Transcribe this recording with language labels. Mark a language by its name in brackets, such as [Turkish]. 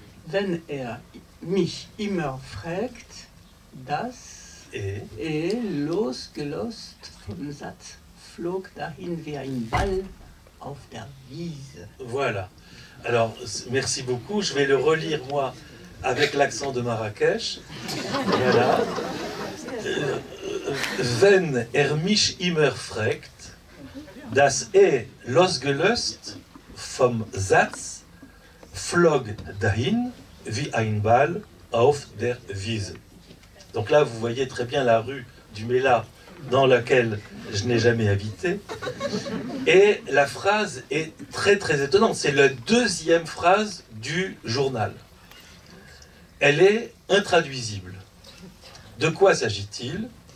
[German] Wenn er mich immer fragt, das [French] et [German] losgelöst vom Satz flog dahin wie ein Ball auf der Wiese. [French] Voilà. Alors, merci beaucoup. Je vais le relire, moi, avec l'accent de Marrakech. Voilà. [German] Wenn er mich immer fragt, das est losgelöst vom Satz flog dahin wie ein Ball auf der Wiese. [French] Donc là, vous voyez très bien la rue du Mela dans laquelle je n'ai jamais habité. Et la phrase est très très étonnante. C'est la deuxième phrase du journal. Elle est intraduisible. De quoi s'agit-il?